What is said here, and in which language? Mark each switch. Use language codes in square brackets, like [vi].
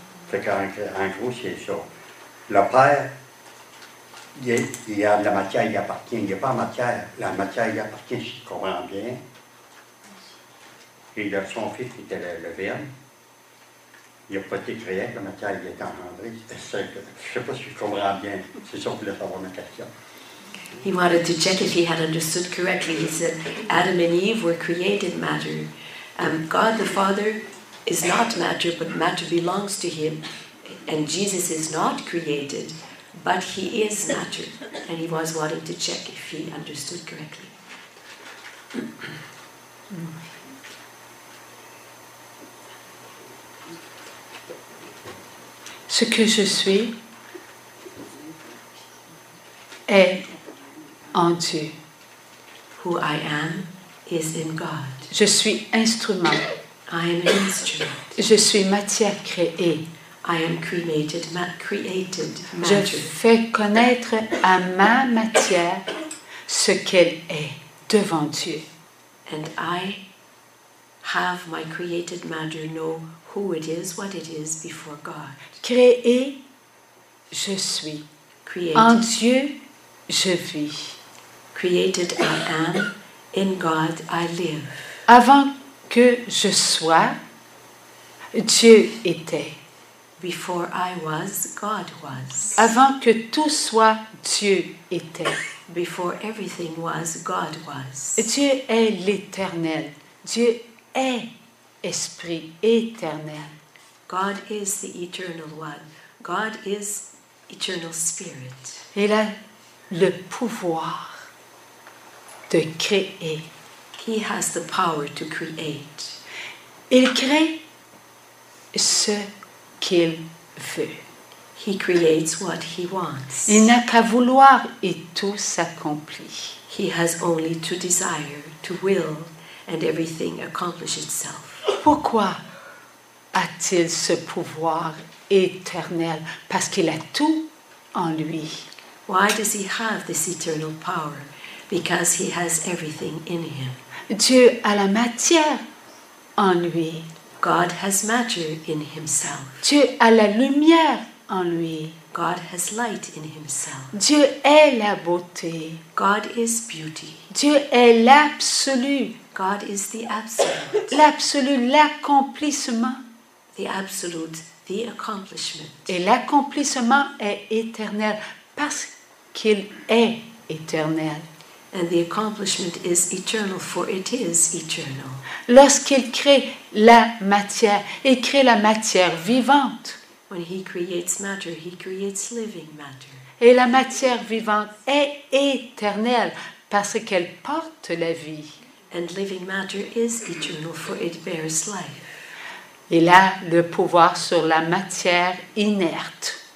[fr] Fait qu'en gros, c'est ça. Le Père, il a la matière, il appartient. Il n'est pas matière. La matière, il appartient, si tu comprends bien. Et son fils était le Verbe. Il n'a pas été créé, la matière, il est engendré. Je ne sais pas si tu comprends bien. C'est ça que je voulais savoir ma question. [en] He wanted to check if he had understood correctly. He said, Adam and Eve were created matter. God the Father is not matter, but matter belongs to him. And Jesus is not created, but he is matter. And he was wanting to check if he understood correctly. [fr] Ce que je suis est en Dieu. [en] Who I am is in God. [fr] Je suis instrument. [en] I am an instrument. [fr] Je suis matière créée. [en] I am cremated, created matter. [fr] Je fais connaître à ma matière ce qu'elle est devant Dieu. [en] And I have my created matter know who it is, what it is before God. [fr] Créé, je suis. [en] Created. [fr] En Dieu, je vis. [en] Created, I am. In God, I live. [fr] Avant que je sois, Dieu était. [en] Before I was, God was. [fr] Avant que tout soit, Dieu était. [en] Before everything was, God was. [fr] Dieu est l'éternel. Dieu est esprit éternel. [en] God is the eternal one. God is eternal spirit. [fr] Il a le pouvoir de créer. [en] He has the power to create. [fr] Il crée ce qu'il veut. [en] He creates what he wants. [fr] Il n'a qu'à vouloir et tout s'accomplit. [en] He has only to desire, to will, and everything accomplishes itself. [fr] Pourquoi a-t-il ce pouvoir éternel? Parce qu'il a tout en lui. [en] Why does he have this eternal power? because he has everything in him. [fr] Dieu a la matière en lui. [en] God has matter in himself. [fr] Dieu a la lumière en lui. [en] God has light in himself. [fr] Dieu est la beauté. [en] God is beauty. [fr] Dieu est l'absolu. [en] God is the absolute. [fr] L'absolu, l'accomplissement. [en] The absolute, the accomplishment. [fr] Et l'accomplissement est éternel parce qu'il est éternel. [en] And the accomplishment is eternal, for it is eternal. [fr] Lorsqu'il crée la matière, il crée la matière vivante. [en] When he creates matter, he creates living matter. [fr] Et la matière vivante est éternelle parce qu'elle porte la vie. [en] And living matter is eternal, for it bears life. [fr] Il a le pouvoir sur la matière inerte.